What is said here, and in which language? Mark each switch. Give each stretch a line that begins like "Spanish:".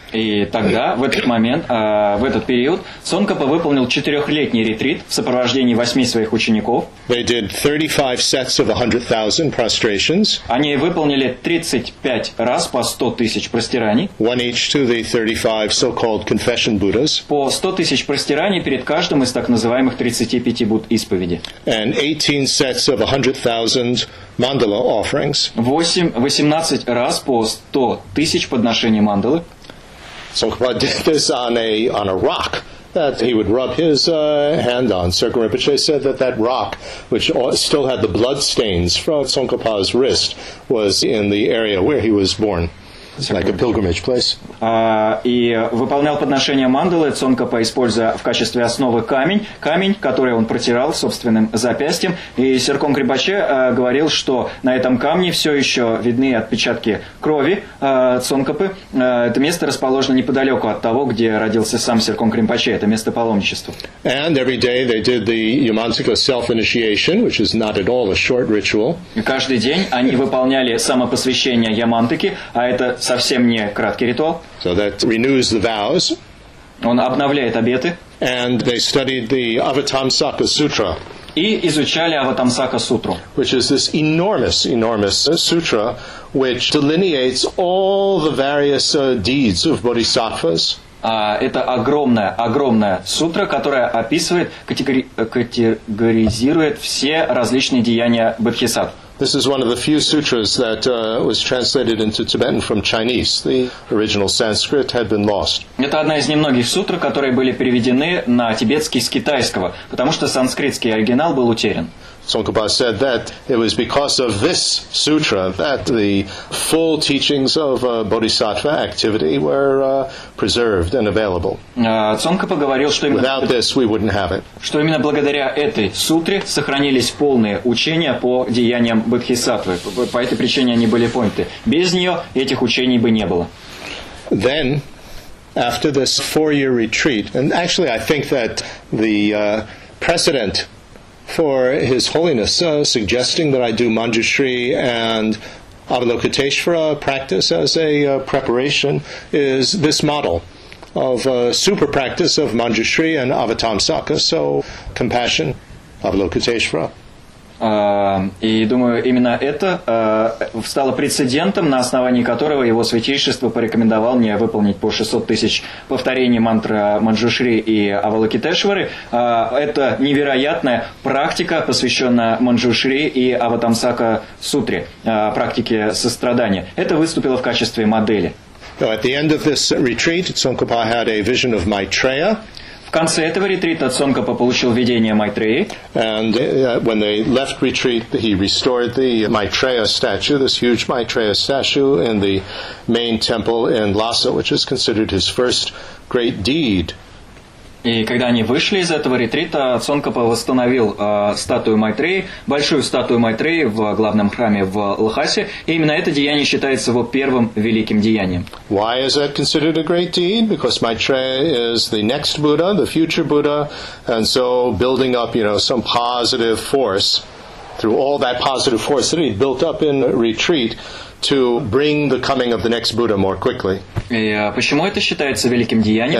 Russian: И тогда, в этот момент, в этот период, Цонкапа выполнил четырехлетний ретрит в сопровождении восьми своих учеников.
English: They did 35 sets of 100,000 prostrations.
Russian: Они выполнили 35 раз по 100 тысяч простираний.
English: One each to the 35 so-called confession Buddhas.
Russian: По 100 тысяч простираний перед каждым из так называемых 35 будд исповеди.
English: And 18 sets of 100,000 mandala offerings.
Russian: 18 раз по 100 тысяч подношений мандалы.
English: Tsongkhapa did this on a rock that he would rub his hand on. Tsongkhapa Rinpoche said that rock, which still had the blood stains from Tsongkhapa's wrist, was in the area where he was born. It's like a pilgrimage place.
Russian: И выполнял подношение мандалы Цонкапа, используя в качестве основы камень, который он протирал собственным запястьем. И Серком Крибаче говорил, что на этом камне все еще видны отпечатки крови Цонкапы. Это место расположено неподалеку от того, где родился сам Серком Крибаче. Это место паломничества.
English: And every day they did the Yamantika self-initiation, which is not at all a short ritual.
Russian: Каждый день они выполняли самопосвящение Ямантыки, а это совсем не краткий ритуал.
English: So that renews the vows.
Russian: Он обновляет обеты.
English: And they studied the Avatamsaka Sutra.
Russian: и изучали Аватамсака сутру.
English: Which is this enormous, enormous sutra, which delineates all the various deeds of bodhisattvas.
Russian: Это огромная, огромная сутра, которая описывает, категоризирует все различные деяния бодхисаттв.
English: This is one of the few sutras that was translated into Tibetan from Chinese. The original Sanskrit had been lost.
Russian: Это одна из немногих сутр, которые были переведены на тибетский с китайского, потому что санскритский оригинал был утерян.
English: Tsongkhapa said that it was because of this sutra that the full teachings of bodhisattva activity were preserved and available.
Russian: Tsongkhapa говорил, что именно
English: without this we wouldn't have it.
Russian: Что именно благодаря этой сутре сохранились полные учения по деяниям бодхисаттвы. По этой причине они были поняты. Без нее этих учений бы не было.
English: Then, after this four-year retreat, and actually I think that the precedent for His Holiness suggesting that I do Manjushri and Avalokiteshvara practice as a preparation is this model of a super practice of Manjushri and Avatamsaka, so compassion, Avalokiteshvara.
Russian: И думаю, именно это стало прецедентом, на основании которого Его Святейшество порекомендовал мне выполнить по 600 тысяч повторений мантры Манджушри и Авалокитешвары. Это невероятная практика, посвященная Манджушри и Аватамсака Сутре, практике сострадания. Это выступило в качестве модели.
English: So at the end of this retreat, Tsongkhapa had a vision of Maitreya.
Russian: В конце этого ретрита Цонкопа получил видение Майтреи.
English: And when they left retreat, he restored the Maitreya statue, this huge Maitreya statue in the main temple in Lhasa, which is considered his first great deed.
Russian: И когда они вышли из этого ретрита, Цонкопа восстановил статую Майтреи, большую статую Майтреи в главном храме в Лхасе, и именно это деяние считается его первым великим деянием.
English: Why is that considered a great deed? Because Maitreya is the next Buddha, the future Buddha, and so building up, you know, some positive force through all that positive force that he built up in retreat to bring the coming of the next Buddha more quickly.
Russian: И почему это считается великим деянием?